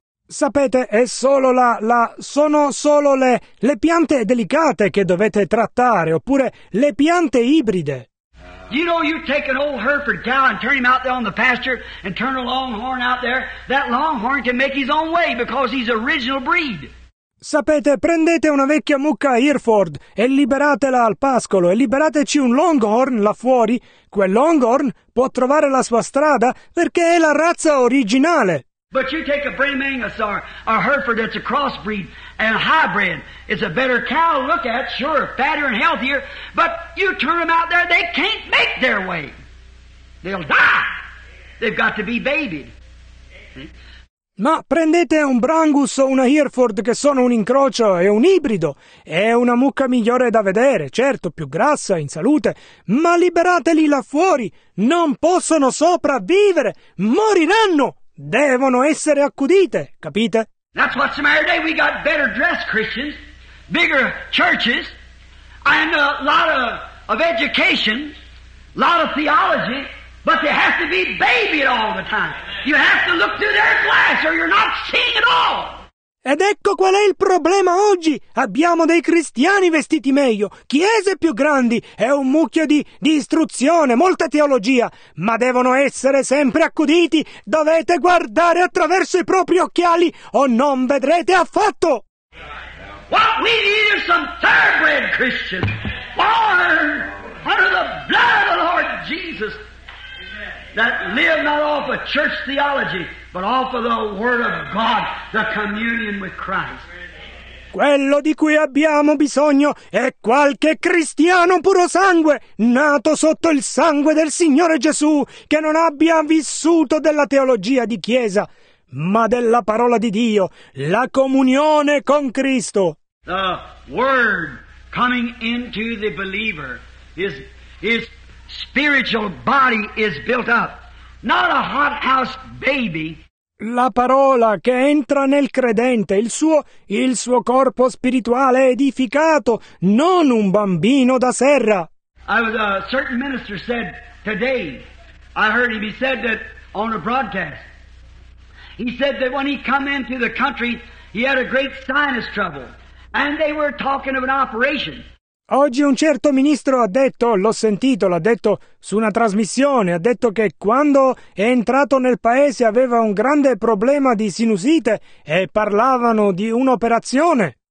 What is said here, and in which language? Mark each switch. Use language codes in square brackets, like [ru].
[it] Sapete, è solo sono solo le piante delicate che dovete trattare, oppure le piante ibride. [en] You know, you take an old Hereford cow and turn him out there on the pasture and turn a longhorn out there, that longhorn can make his own way because he's original breed. [it] Sapete, prendete una vecchia mucca Hereford e liberatela al pascolo e liberateci un longhorn là fuori. Quel longhorn può trovare la sua strada perché è la razza originale. [en] But you take a Bray Mangus or Hereford that's a crossbreed and a hybrid. It's a better cow to look at, sure, fatter and healthier, but you turn them out there, they can't make their way. They'll die. They've got to be babied. [it] Ma prendete un Brangus o una Hereford che sono un incrocio e un ibrido. È una mucca migliore da vedere, certo, più grassa, in salute, ma liberateli là fuori. Non possono sopravvivere. Moriranno. Devono essere accudite, capite? [en] That's what's the matter today. We got better dressed Christians, bigger churches, and a lot of education, a lot of theology, but they have to be babied all the time. You have to look through their glass or you're not seeing at all. [it] Ed ecco qual è il problema oggi. Abbiamo dei cristiani vestiti meglio, chiese più grandi, è un mucchio di istruzione, molta teologia, ma devono essere sempre accuditi. Dovete guardare attraverso i propri occhiali o non vedrete affatto. [en] What we need is some thoroughbred Christians born under the blood of the Lord Jesus that live not off of church theology, but off of the Word of God, the communion with Christ. [it] Quello di cui abbiamo bisogno è qualche cristiano puro sangue, nato sotto il sangue del Signore Gesù, che non abbia vissuto della teologia di chiesa, ma della parola di Dio, la comunione con Cristo. [en] The Word coming into the believer, his spiritual body is built up. Not a hothouse baby. [it] La parola che entra nel credente, il suo corpo spirituale edificato, non un bambino da serra. [en] A certain minister said today, I heard him, he said that on a broadcast, he said that when he come into the country, he had a great sinus trouble, and they were talking of an operation. [it] Oggi un certo ministro ha detto, l'ho sentito, l'ha detto su una trasmissione, ha detto che quando è entrato nel paese aveva un grande problema di sinusite e parlavano di un'operazione.